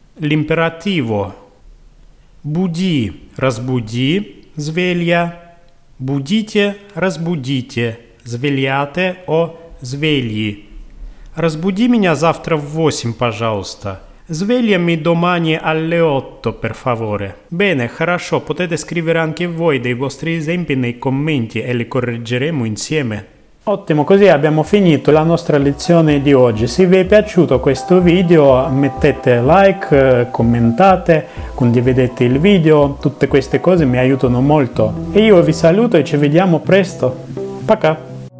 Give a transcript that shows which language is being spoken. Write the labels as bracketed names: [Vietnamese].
[Italian] L'imperativo. [Russian] Буди, разбуди, sveglia. Будите, разбудите, [Italian] svegliate o svegli. [Russian] Разбуди меня завтра в 8, пожалуйста. [Italian] Svegliami domani alle 8, per favore. Bene, хорошо, potete scrivere anche voi dei vostri esempi nei commenti e li correggeremo insieme. Ottimo, così abbiamo finito la nostra lezione di oggi. Se vi è piaciuto questo video, mettete like, commentate, condividete il video, tutte queste cose mi aiutano molto. E io vi saluto e ci vediamo presto. Пока!